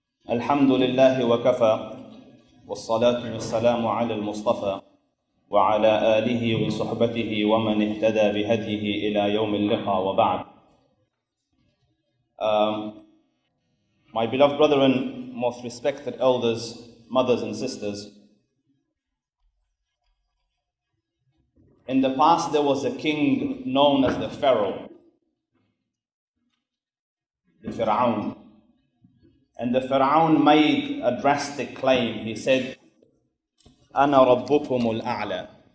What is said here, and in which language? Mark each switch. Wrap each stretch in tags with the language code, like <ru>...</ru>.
<ar>الحمد لله وكفى والصلاة والسلام على المصطفى وعلى آله وصحبته ومن اهتدى بهديه إلى يوم اللقاء وبعد.</ar> <en>My beloved brethren, most respected elders, mothers and sisters, in the past there was a king known as the Pharaoh, the Fir'aun. And the Pharaoh made a drastic claim. He said,</en> <ar>أنا ربكم الأعلى.</ar>